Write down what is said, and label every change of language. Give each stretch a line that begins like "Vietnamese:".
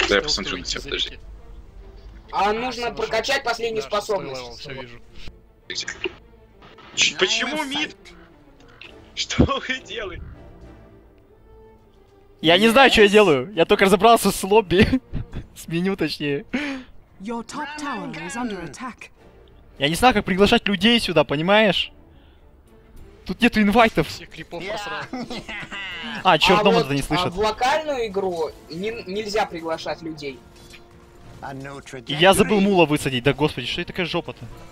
Russian: Да, я посмотрю на тебя, подожди. А нужно прокачать последнюю способность. Все вижу. Почему мид? Что вы делаете? Я не знаю, что я делаю. Я только разобрался с лобби. С меню, точнее.
English: Your top tower is under attack.
Russian: Я не знаю, как приглашать людей сюда, понимаешь? Тут нету инвайтов. Всех крипов просрал. А, черт, дома это не слышат. А в локальную игру нельзя приглашать людей. И я забыл мула высадить. Да господи, что это такая жопа-то?